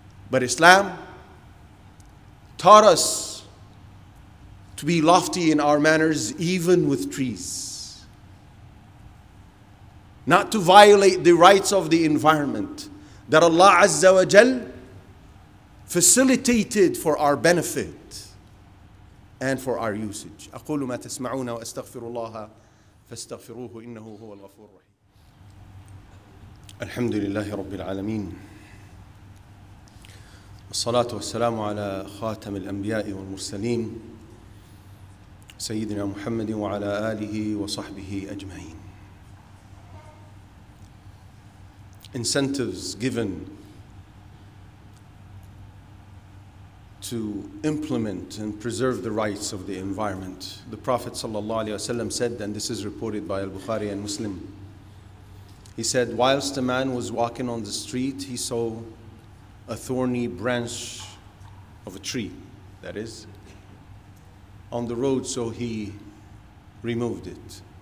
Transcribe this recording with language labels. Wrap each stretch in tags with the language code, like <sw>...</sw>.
<en>But Islam taught us to be lofty in our manners, even with trees, not to violate the rights of the environment that Allah Azza wa Jal facilitated for our benefit and for our usage.</en> <ar>أقول ما تسمعون وأستغفر الله فاستغفروه إنه هو الغفور الرحيم. الحمد لله رب العالمين. الصلاة والسلام على خاتم الأنبياء والمرسلين سيدنا محمد وعلى آله وصحبه أجمعين.</ar> <en>Incentives given to implement and preserve the rights of the environment. The Prophet sallallahu alaihi wasallam said, and this is reported by Al-Bukhari and Muslim, he said, "Whilst a man was walking on the street, he saw a thorny branch of a tree, that is, on the road, so he removed it.</en>